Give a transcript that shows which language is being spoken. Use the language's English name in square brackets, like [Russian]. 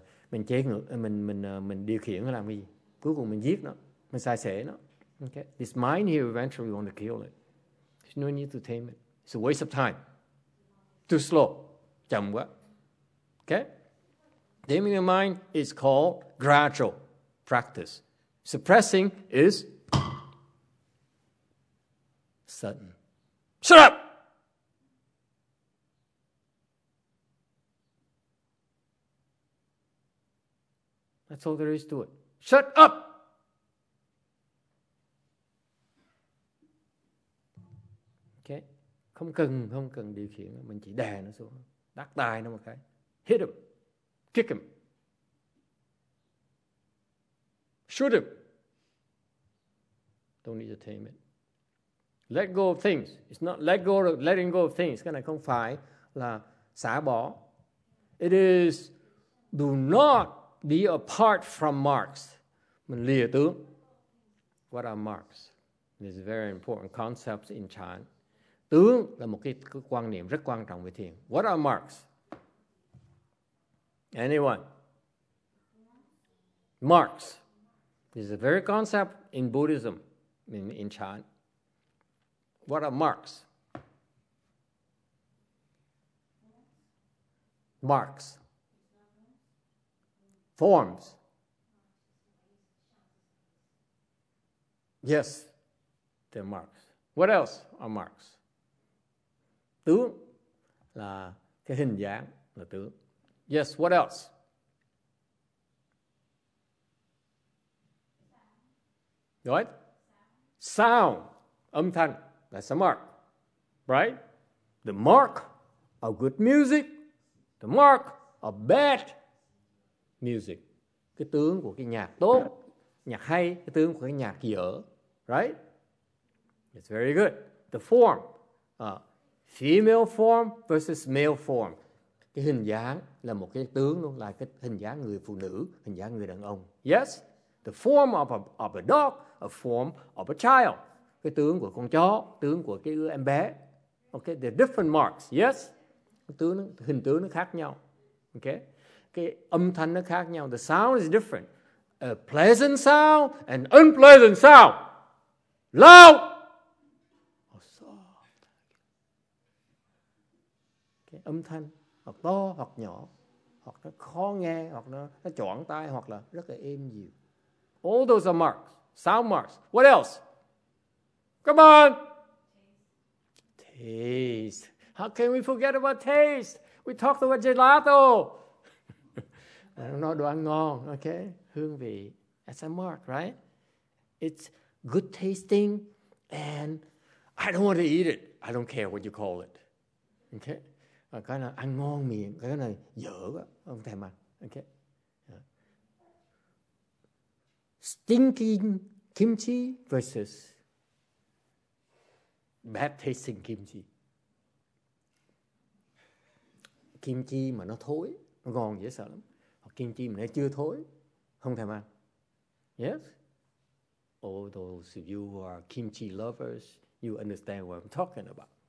[Vietnamese] Mình chế ngược, mình điều khiển nó làm cái gì? Cuối cùng mình giết nó, mình sai sẻ nó. [English] Okay, this mind here eventually want to kill it. There's no need to tame it. It's a waste of time. Too slow. [Vietnamese] Chậm quá. [English] Okay? Taming the mind is called gradual practice. Suppressing is sudden. Shut up! That's all there is to it. Shut up! [Vietnamese] Okay? Không cần điều khiển. Mình chỉ đè nó xuống. Đắc tài nó một cái. [English] Hit him. Kick him. Shoot him. Don't need to tame it. Let go of things. It's not let go of letting go of things. [Vietnamese] Cái này không phải là xả bỏ. [English] It is do not be apart from marks. [Vietnamese] Mình lìa tướng. [English] What are marks? This is a very important concept in Chan. [Vietnamese] Tướng là một cái quan niệm rất quan trọng về thiền. [English] What are marks? Anyone? Marks. This is a very concept in Buddhism, in Chan. What are marks? Marks. Forms. Yes, they're marks. What else are marks? [Vietnamese] Tướng là cái hình dạng là tướng. [English] Yes, what else? Right? Sound, âm thanh, that's a mark. Right? The mark of good music, the mark of bad music. [Vietnamese] Cái tướng của cái nhạc tốt, nhạc hay, cái tướng của cái nhạc dở. [English] Right? It's very good. The form, female form versus male form. [Vietnamese] Cái hình dáng là một cái tướng luôn, là cái hình dáng người phụ nữ, hình dáng người đàn ông. [English] Yes? The form of a dog, a form of a child. [Vietnamese] Cái tướng của con chó, tướng của cái em bé. [English] Okay, they're different marks. Yes? [Vietnamese] Hình tướng nó khác nhau. [English] Okay? [Vietnamese] Cái âm thanh nó khác nhau. [English] The sound is different. A pleasant sound and unpleasant sound. Loud! Or soft. [Vietnamese] Cái âm thanh hoặc to hoặc nhỏ, hoặc nó khó nghe, hoặc nó choảng tai, hoặc là rất là êm dịu. [English] All those are marks, sound marks. What else? Come on. Taste. How can we forget about taste? We talked about gelato. [Vietnamese] Nó đồ ăn ngon, okay? Hương vị. [English] That's a mark, right? It's good tasting, and I don't want to eat it. I don't care what you call it. Okay? [Vietnamese] Cái này ăn ngon miệng, cái này dở quá, không thèm ăn. Okay. [English] Stinking kimchi versus bad tasting kimchi. [Vietnamese] Kim chi mà nó thối, nó ngon dễ sợ lắm. Hoặc kim chi mà nó chưa thối, không thèm ăn. [English] Yes? All those of you who are kimchi lovers, you understand what I'm talking about.